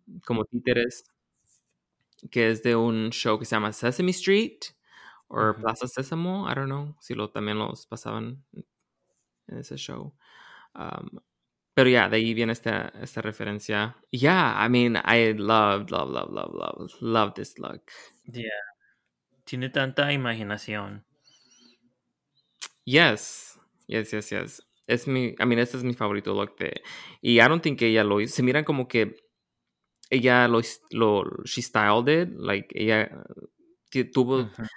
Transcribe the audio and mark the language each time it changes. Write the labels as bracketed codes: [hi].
[es] Como títeres, que es de un show que se llama Sesame Street. O Plaza Sésamo, [en] I don't know, [es] si lo también los pasaban en ese show. Pero ya, yeah, de ahí viene esta referencia. [en] Yeah, I mean, I love this look. Yeah. [es] Tiene tanta imaginación. Yes. Este es mi favorito look de... Y [en] I don't think [es] ella lo hizo. Se miran como que ella lo... [en] She styled it. [es] Like, ella tuvo... Uh-huh.